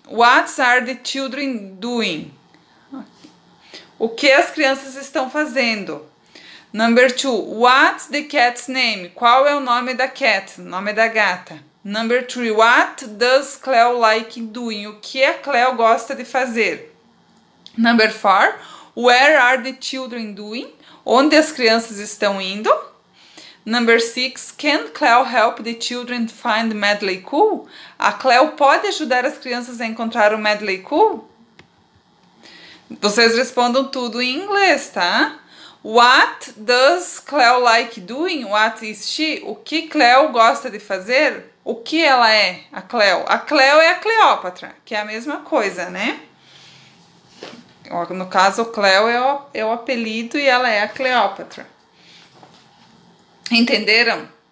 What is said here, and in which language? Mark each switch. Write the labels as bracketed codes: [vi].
[en] What are the children doing? [pt] O que as crianças estão fazendo? [en] Number two. What's the cat's name? [pt] Qual é o nome da cat? Nome da gata. [en] Number three. What does Cleo like doing? [pt] O que a Cleo gosta de fazer? [en] Number 4, where are the children doing? [pt] Onde as crianças estão indo? [en] Number 6, can Cleo help the children find Madly Cool? [pt] A Cleo pode ajudar as crianças a encontrar o Madly Cool? Vocês respondam tudo em inglês, tá? [en] What does Cleo like doing? What is she? [pt] O que Cleo gosta de fazer? O que ela é, a Cleo? A Cleo é a Cleópatra, que é a mesma coisa, né? No caso, o Cleo é o apelido e ela é a Cleópatra. Entenderam?